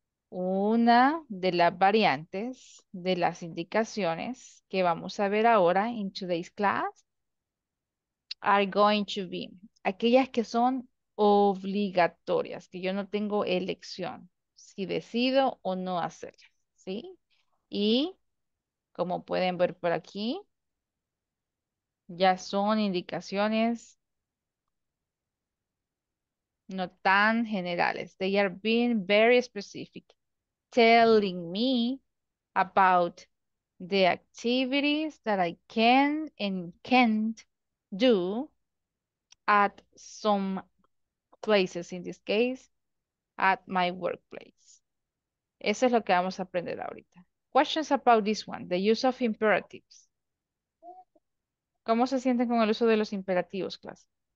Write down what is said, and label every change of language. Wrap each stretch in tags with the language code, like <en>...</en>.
<es>Una de las variantes de las indicaciones que vamos a ver ahora in today's class are going to be aquellas que son obligatorias, que yo no tengo elección si decido o no hacerlas, ¿sí? Y como pueden ver por aquí, ya son indicaciones no tan generales.</es> <en>They are being very specific, telling me about the activities that I can and can't do at some places, in this case, at my workplace.</en> <es>Eso es lo que vamos a aprender ahorita.</es> <en>Questions about this one, the use of imperatives.</en> <es>¿Cómo se sienten con el uso de los imperativos, clase?</es>